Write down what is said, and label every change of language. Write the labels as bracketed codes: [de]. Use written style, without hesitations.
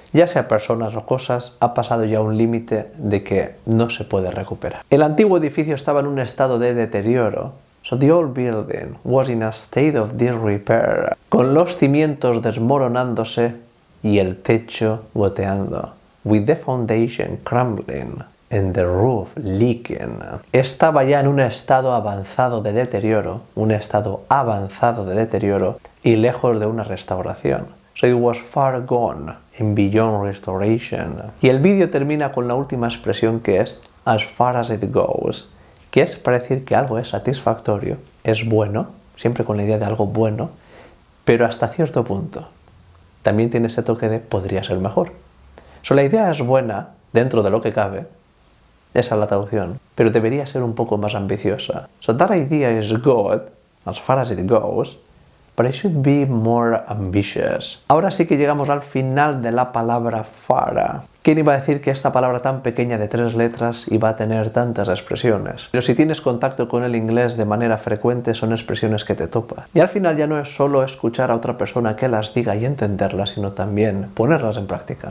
[es] Ya sea personas o cosas, ha pasado ya un límite de que no se puede recuperar. El antiguo edificio estaba en un estado de deterioro. [en] So the old building was in a state of disrepair. [es] Con los cimientos desmoronándose y el techo goteando. [en] with the foundation crumbling and the roof leaking. [es] Estaba ya en un estado avanzado de deterioro, y lejos de una restauración. [en] So it was far gone and beyond restoration. [es] Y el vídeo termina con la última expresión que es [en] as far as it goes, [es] que es para decir que algo es satisfactorio, es bueno, siempre con la idea de algo bueno, pero hasta cierto punto. También tiene ese toque de podría ser mejor. So la idea es buena, dentro de lo que cabe, esa es la traducción, pero debería ser un poco más ambiciosa. [en] So that idea is good, as far as it goes, but it should be more ambitious. [es] Ahora sí que llegamos al final de la palabra far. ¿Quién iba a decir que esta palabra tan pequeña de tres letras iba a tener tantas expresiones? Pero si tienes contacto con el inglés de manera frecuente, son expresiones que te topas. Y al final ya no es solo escuchar a otra persona que las diga y entenderlas, sino también ponerlas en práctica.